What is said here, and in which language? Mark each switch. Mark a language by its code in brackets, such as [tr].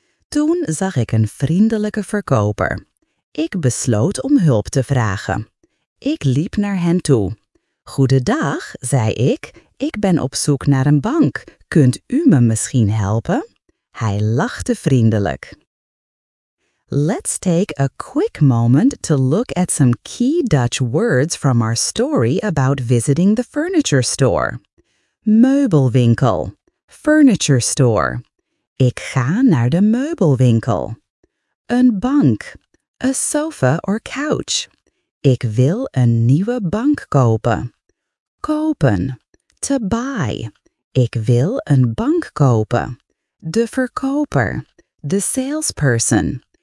[nl] Toen zag ik een vriendelijke verkoper. Ik besloot om hulp te vragen. Ik liep naar hen toe. "Goedendag," zei ik. "Ik ben op zoek naar een bank. Kunt u me misschien helpen?" Hij lachte vriendelijk. [en] Let's take a quick moment to look at some key Dutch words from our story about visiting the furniture store. [nl] Meubelwinkel, furniture store. Ik ga naar de meubelwinkel. Een bank, [en] a sofa or couch. [nl] Ik wil een nieuwe bank kopen. Kopen, [en] to buy. [nl] Ik wil een bank kopen. De verkoper, [en] the salesperson.